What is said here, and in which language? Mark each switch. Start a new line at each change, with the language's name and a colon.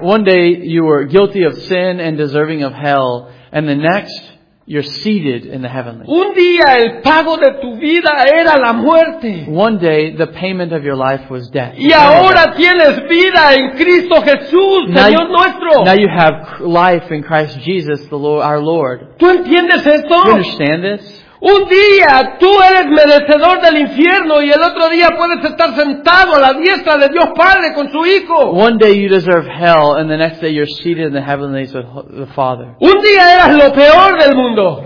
English: One day you were guilty of sin and deserving of hell, and the next you're seated in the heavenly.
Spanish: Un día el pago de tu vida era la muerte.
English: One day the payment of your life was death.
Spanish: Y ahora tienes vida en Cristo Jesús, Señor nuestro.
English: Now you have life in Christ Jesus, the Lord, our Lord.
Spanish: ¿Tú entiendes esto?
English: You understand this?
Spanish: Un día tú eres merecedor del infierno y el otro día puedes estar sentado a la diestra de Dios Padre con su Hijo.
English: One day you deserve hell and the next day you're seated in the heavenlies with the Father.
Spanish: Un día eras lo peor del mundo.